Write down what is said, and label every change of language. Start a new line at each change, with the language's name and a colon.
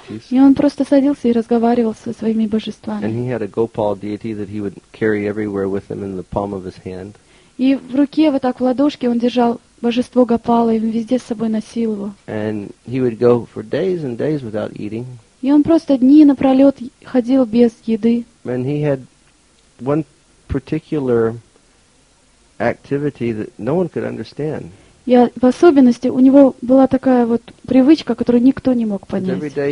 Russian: И он просто садился и разговаривал со своими божествами. И в руке, вот так в ладошке, он держал божество Гопала, и он везде с собой носил его.
English: And he would go for days and days without eating.
Russian: И он просто дни напролет ходил без еды.
English: And he had one particular activity that no one could understand.
Russian: И в особенности у него была такая вот привычка, которую никто не мог понять.